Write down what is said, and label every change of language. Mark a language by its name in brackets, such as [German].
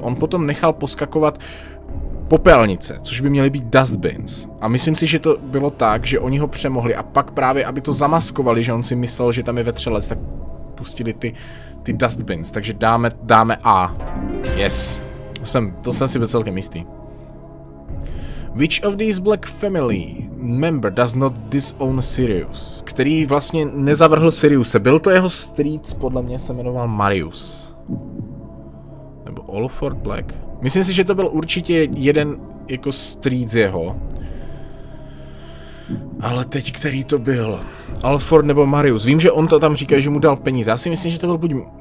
[Czech] On potom nechal poskakovat popelnice, což by měly být dustbins. A myslím si, že to bylo tak, že oni ho přemohli a pak právě, aby to zamaskovali, že on si myslel, že tam je vetřelec, tak pustili ty dustbins. Takže dáme A. Yes. To jsem si byl celkem jistý. [English] Which of these Black Family member does not disown Sirius? [Czech] Který vlastně nezavrhl Siriuse. Byl to jeho strýc, podle mě se jmenoval Marius. Nebo Olford Black? Myslím si, že to byl určitě jeden jako strýc jeho. Ale teď který to byl? Alford nebo Marius? Vím, že on to tam říká, že mu dal peníze. Já si myslím, že to byl buď...